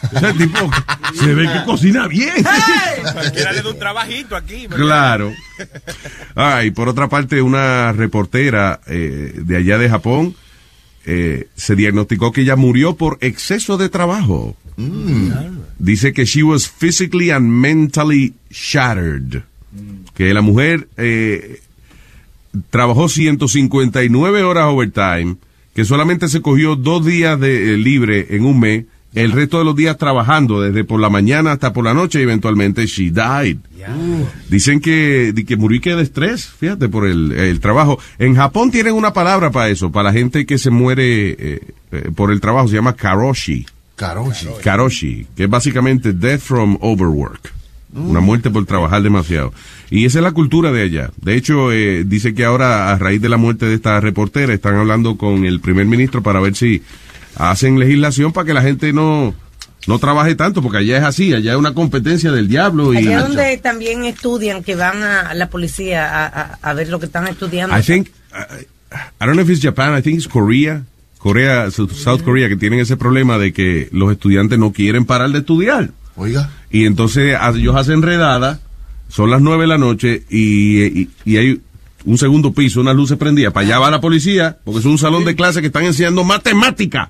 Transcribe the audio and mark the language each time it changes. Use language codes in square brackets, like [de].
[es] O sea, el tipo se ve que cocina bien. Cualquiera le da un trabajito aquí. ¿Verdad? Claro. Ah, y por otra parte, una reportera de allá de Japón, se diagnosticó que ella murió por exceso de trabajo. Dice que she was physically and mentally shattered. Que la mujer trabajó 159 horas overtime, que solamente se cogió 2 días de libre en un mes, el resto de los días trabajando, desde por la mañana hasta por la noche, y eventualmente she died. Dicen que murió que de estrés, fíjate, por el trabajo. En Japón tienen una palabra para eso, para la gente que se muere por el trabajo, se llama karoshi. Karoshi. Karoshi, que es básicamente death from overwork. Una muerte por trabajar demasiado. Y esa es la cultura de allá. De hecho, dice que ahora, a raíz de la muerte de esta reportera, están hablando con el primer ministro para ver si hacen legislación para que la gente no trabaje tanto, porque allá es así, allá es una competencia del diablo. Y allá donde también estudian, que van a la policía a ver lo que están estudiando. [en] I don't know if it's Japan, I think it's Korea. [es] Korea, South Korea, que tienen ese problema de que los estudiantes no quieren parar de estudiar. Oiga. Y entonces ellos hacen redada, son las 9 de la noche y hay un segundo piso, una luz se prendía. Para allá va la policía, porque es un salón de clase que están enseñando matemática.